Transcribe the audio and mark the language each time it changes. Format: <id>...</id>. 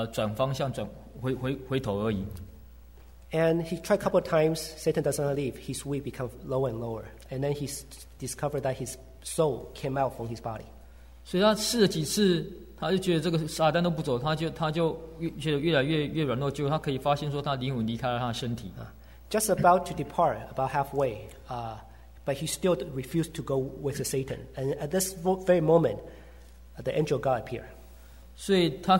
<zh>所以每次他就说奉主的圣要赶魔鬼的时候，这个魔鬼就不走，他最多只是换个方向，转回头而已。</zh> <en>And he tried a couple of times. Satan does not leave. His weight becomes lower and lower, and then he discovered that his soul came out from his body.</en> <zh>所以他试了几次，他就觉得这个撒旦都不走，他就越来越软弱，结果他可以发现说他灵魂离开了他的身体。</zh> <en>Just about to depart, about halfway, but he still refused to go with Satan. And at this very moment, the angel God appeared.</en>